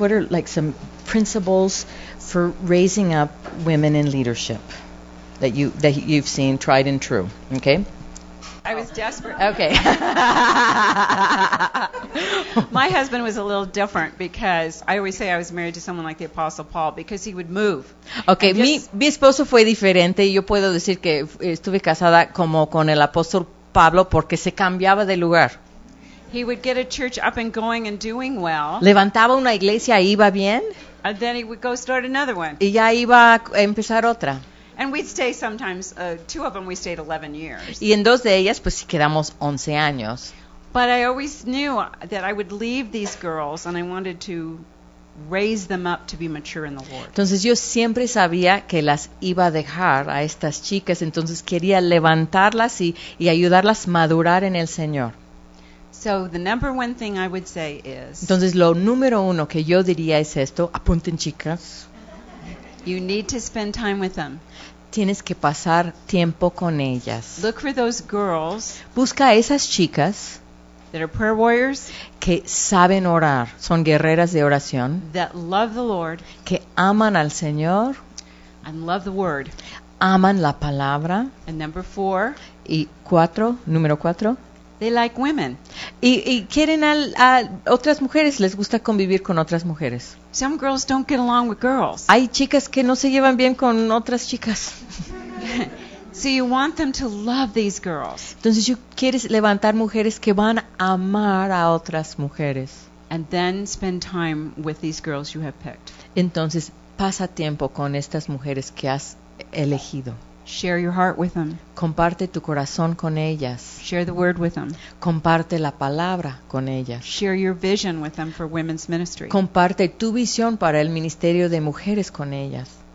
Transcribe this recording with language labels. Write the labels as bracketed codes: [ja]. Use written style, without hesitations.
[en] What are like some principles for raising up women in leadership that you've seen tried and true, okay? I was desperate. Okay. My husband was a little different because I always say I was married to someone like the Apostle Paul because he would move. [es] Okay, mi esposo fue diferente. Yo puedo decir que estuve casada como con el Apóstol Pablo porque se cambiaba de lugar. [en] He would get a church up and going and doing well. [es] Levantaba una iglesia y iba bien. [en] And then he would go start another one. [es] Y ya iba a empezar otra. [en] And we'd stay sometimes, two of them we stayed 11 years. [es] Y en dos de ellas, pues sí quedamos 11 años. [en] But I always knew that I would leave these girls and I wanted to raise them up to be mature in the Lord. [es] Entonces yo siempre sabía que las iba a dejar a estas chicas, entonces quería levantarlas y ayudarlas a madurar en el Señor. [en] So the number one thing I would say is... [es] Entonces lo número uno que yo diría es esto, apunten chicas... [en] You need to spend time with them. [es] Tienes que pasar tiempo con ellas. [en] Look for those girls. [es] Busca a esas chicas. [en] That are prayer warriors. [es] Que saben orar. Son guerreras de oración. [en] That love the Lord. [es] Que aman al Señor. [en] And love the Word. [es] Aman la palabra. [en] And number four. [es] Y cuatro, número cuatro. [en] They like women. [es] Y quieren a otras mujeres, les gusta convivir con otras mujeres. [en] Some girls don't get along with girls. [es] Hay chicas que no se llevan bien con otras chicas. [en] So you want them to love these girls. [es] Entonces tú quieres levantar mujeres que van a amar a otras mujeres. [en] And then spend time with these girls you have picked. [es] Entonces pasa tiempo con estas mujeres que has elegido. [en] Share your heart with them. [es] Comparte tu corazón con ellas. [en] Share the word with them. [es] Comparte la palabra con ellas. [en] Share your vision with them for women's ministry. [es] Comparte tu visión para el ministerio de mujeres con ellas.